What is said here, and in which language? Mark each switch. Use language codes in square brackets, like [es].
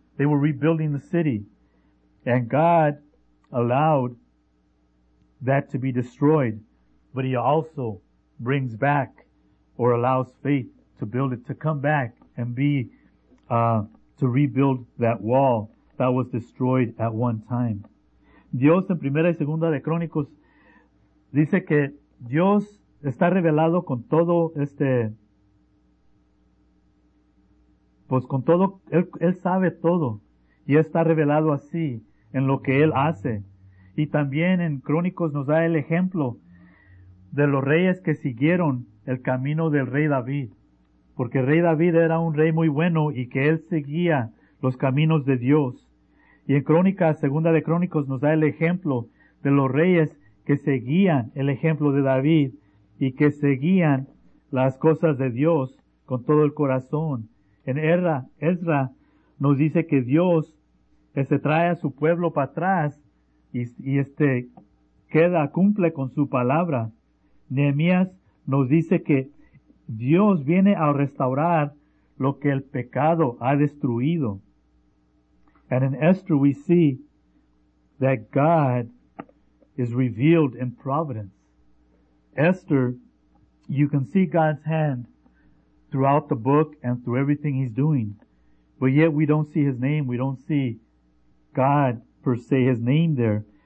[en] They were rebuilding the city. And God allowed that to be destroyed. But he also brings back or allows faith to build it, to come back and be to rebuild that wall that was destroyed at one time. [es] Dios en primera y segunda de Crónicos dice que Dios está revelado con todo este, pues con todo, Él sabe todo y está revelado así en lo que Él hace. Y también en Crónicos nos da el ejemplo de los reyes que siguieron el camino del rey David. Porque el rey David era un rey muy bueno y que él seguía los caminos de Dios. Y en Crónicas, segunda de Crónicos, nos da el ejemplo de los reyes que seguían el ejemplo de David y que seguían las cosas de Dios con todo el corazón. En Ezra nos dice que Dios se trae a su pueblo para atrás y queda, cumple con su palabra. Nehemías nos dice que Dios viene a restaurar lo que el pecado ha destruido. [en] And in Esther we see that God is revealed in providence. Esther, you can see God's hand throughout the book and through everything he's doing. But yet we don't see his name. We don't see God per se, his name there.